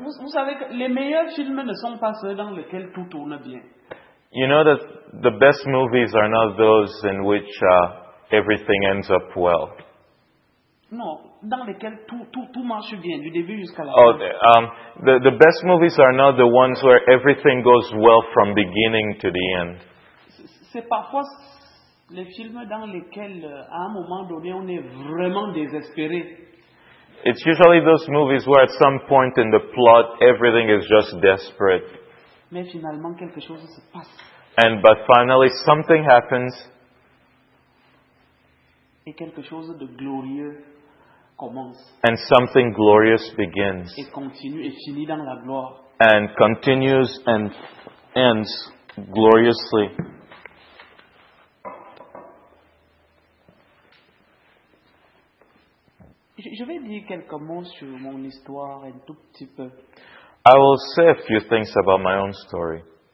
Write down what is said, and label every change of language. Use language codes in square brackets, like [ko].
[fr] Vous savez que les meilleurs films ne sont pas ceux dans lesquels tout tourne bien. [en] You know that the best movies are not those in which everything ends up well. [fr] Non, dans lesquels tout marche bien du début jusqu'à la fin. [en] Oh, the best movies are not the ones where everything goes well from beginning to the end. [fr] C'est parfois les films dans lesquels à un moment donné on est vraiment désespéré. [en] It's usually those movies where at some point in the plot everything is just desperate. [fr] Mais finalement quelque chose se passe. [en] But finally something happens. [fr] Et quelque chose de glorieux. [en] And something glorious begins. [fr] Et continue, et finit dans la gloire. [en] And continues and ends gloriously. [fr] Je vais dire quelques mots sur mon histoire un tout petit peu. [en] I will say a few things about my own story.